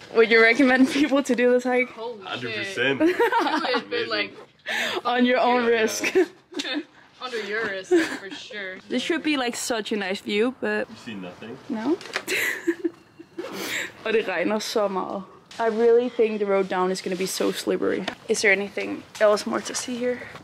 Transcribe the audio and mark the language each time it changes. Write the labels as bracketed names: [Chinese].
[English] Would you recommend people to do this hike? 100%. Like on your own risk. Under your risk, for sure. This should be like such a nice view, but you see nothing. No. [Danish] Og det regner så meget. [English] I really think the road down is gonna be so slippery. Is there anything else more to see here?